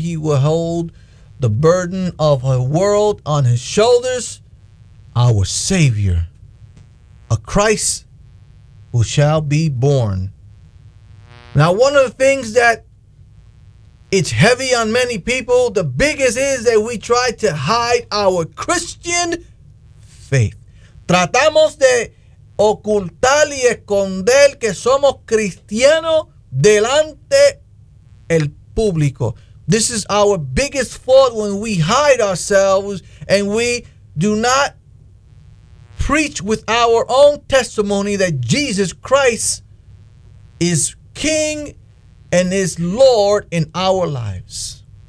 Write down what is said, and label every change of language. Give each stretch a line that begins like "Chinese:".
English: He will hold the burden of a world on his shoulders, our Savior. A Christ who shall be born. Now, one of the things that it's heavy on many people, the biggest is that we try to hide our Christian faith.
Spanish: Tratamos de ocultar y esconder que somos cristianos delante el público.
English: This is our biggest fault when we hide ourselves and we do not preach with our own testimony that Jesus Christ is King and is Lord in our lives.